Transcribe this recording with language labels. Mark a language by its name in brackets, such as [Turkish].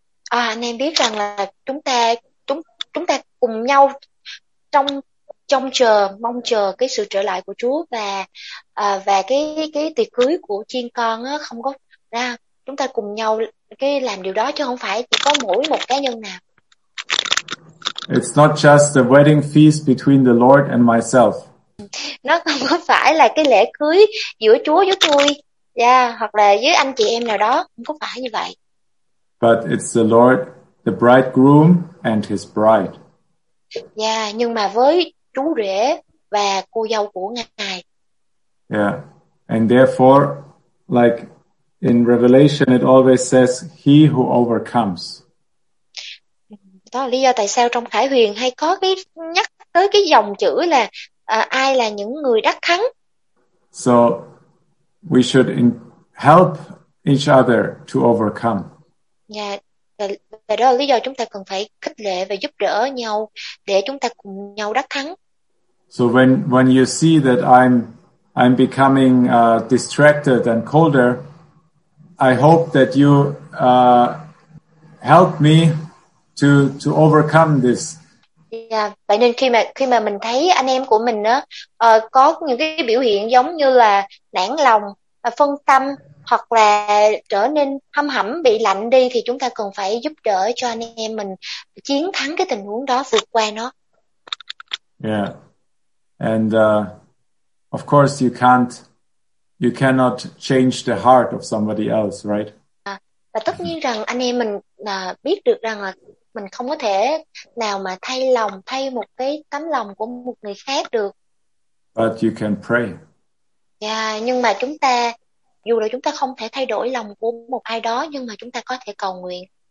[Vietnamese] À, anh em biết rằng là chúng ta cùng nhau trông chờ mong chờ cái sự trở lại của Chúa và cái tiệc cưới của chiên con á, không có ra chúng ta cùng nhau cái làm điều đó chứ không phải chỉ có mỗi một cá nhân nào. [English] It's not just the wedding feast between the Lord and myself. [Vietnamese] Nó không có phải là cái lễ cưới giữa Chúa với tôi, yeah, hoặc là với anh chị em nào đó, không có phải như vậy. [English] But it's the Lord, the bridegroom and his bride. [Vietnamese] Yeah, nhưng mà với chú rể và cô dâu của ngài. [English] Yeah, and therefore, like in Revelation, it always says, "He who overcomes." [Vietnamese] Đó là lý do tại sao trong Khải Huyền hay có cái nhắc tới cái dòng chữ là ai là những người đắc thắng. [English] So we should help each other to overcome. [Vietnamese] Yeah, và đó là lý do chúng ta cần phải khích lệ và giúp đỡ nhau để chúng ta cùng nhau đắc thắng. [English] So when you see that I'm becoming distracted and colder, I hope that you help me to overcome this. [Vietnamese] Yeah, vậy nên khi mà mình thấy anh em của mình có những cái biểu hiện giống như là nản lòng, phân tâm hoặc là trở nên hâm hẩm, bị lạnh đi thì chúng ta cần phải giúp đỡ cho anh em mình chiến thắng cái tình huống đó, vượt qua nó. [English] Yeah. And of course you cannot change the heart of somebody else, right? [Vietnamese] Và tất nhiên rằng anh em mình biết được rằng là mình không có thể nào mà thay một cái tấm lòng của một người khác được. [English] But you can pray. [Vietnamese] Yeah, nhưng mà chúng ta, dù là chúng ta không thể thay đổi lòng của một ai đó, nhưng mà chúng ta có thể cầu nguyện.